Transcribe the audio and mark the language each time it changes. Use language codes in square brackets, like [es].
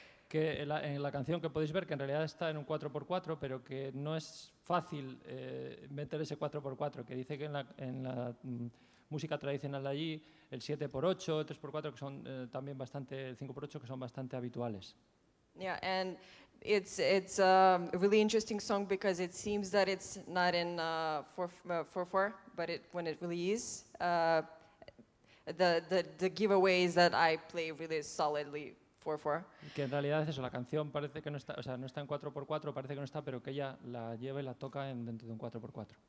[es] Que en la canción que podéis ver, que en realidad está en un 4x4, pero que no es fácil meter ese 4x4, que dice que en la música tradicional de allí, el 7x8, el 3x4, que son también bastante, el 5x8, que son bastante habituales. [en] Yeah, and it's a really interesting song because it seems that it's not in 4x4, but when it really is, the giveaway is that I play really solidly 4/4. [es] Que en realidad eso, la canción parece que no está, o sea, no está en 4x4, parece que no está, pero que ella la lleva y la toca dentro de un 4x4.